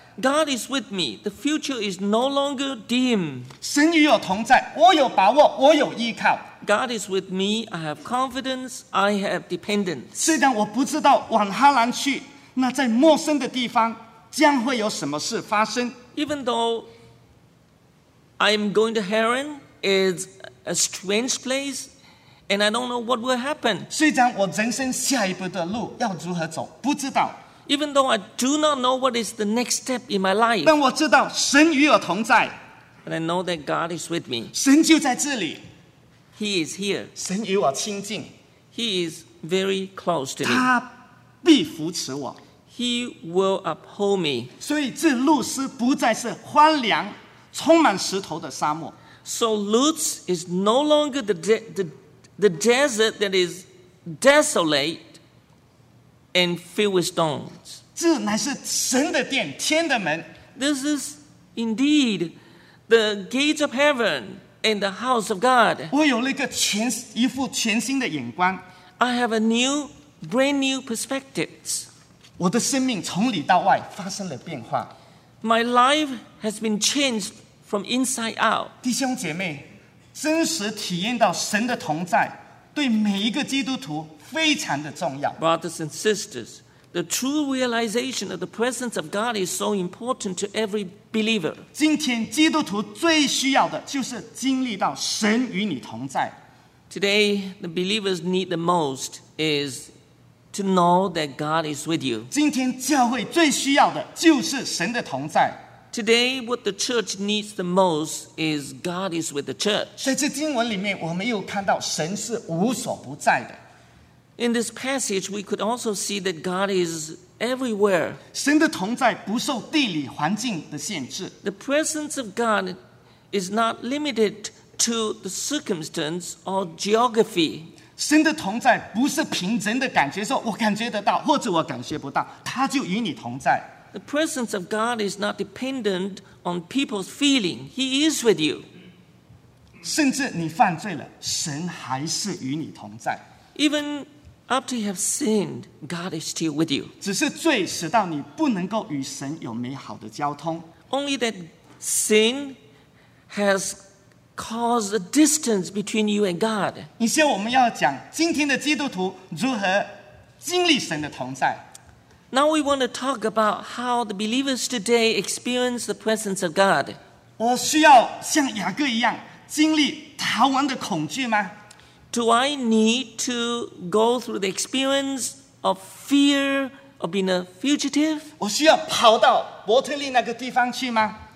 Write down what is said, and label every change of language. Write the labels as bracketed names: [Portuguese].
[English] God is with me. The future is no longer dim. [Chinese] 神与我同在，我有把握，我有依靠。 [English] God is with me. I have confidence. I have dependence. [Chinese] 虽然我不知道往哈兰去，那在陌生的地方将会有什么事发生。 [English] Even though I'm going to Haran, it's a strange place, and I don't know what will happen. [Chinese] 虽然我人生下一步的路要如何走，不知道。 [English] Even though I do not know what is the next step in my life, [Chinese] 但我知道神与我同在。 [English] And I know that God is with me. [Chinese] 神就在这里。 [English] He is here. [Chinese] 神与我亲近。 [English] He is very close to me. [Chinese] 他必扶持我。 [English] He will uphold me. [Chinese] 所以这路斯不再是荒凉、充满石头的沙漠。 [English] So Lutz is no longer the desert that is desolate and filled with stones. [Chinese] 这乃是神的殿，天的门。 [English] This is indeed the gates of heaven and the house of God. [Chinese] 我有了一副全新的眼光。 [English] I have a new, brand new perspective. [Chinese] 我的生命从里到外发生了变化。 [English] My life has been changed. From inside out. [Chinese] 弟兄姐妹，真实体验到神的同在，对每一个基督徒非常的重要。 [English] Brothers and sisters, the true realization of the presence of God is so important to every believer. [Chinese] 今天基督徒最需要的就是经历到神与你同在。 [English] Today, the believers need the most is to know that God is with you. [Chinese] 今天教会最需要的就是神的同在。 [English] Today, what the church needs the most is God is with the church. [Chinese] 在这经文里面，我们又看到神是无所不在的。 [English] In this passage, we could also see that God is everywhere. [Chinese] 神的同在不受地理环境的限制。 [English] The presence of God is not limited to the circumstance or geography. [Chinese] 神的同在不是凭人的感觉，说我感觉得到，或者我感觉不到，他就与你同在。 [English] The presence of God is not dependent on people's feeling. He is with you. [Chinese] 甚至你犯罪了，神还是与你同在。 [English] Even after you have sinned, God is still with you. [Chinese] 只是罪使到你不能够与神有美好的交通。 [English] Only that sin has caused a distance between you and God. [Chinese] 以下我们要讲今天的基督徒如何经历神的同在。 [English] Now we want to talk about how the believers today experience the presence of God. [Chinese] 我需要像雅各一样经历逃亡的恐惧吗？ [English] Do I need to go through the experience of fear of being a fugitive? [Chinese] 我需要跑到伯特利那个地方去吗？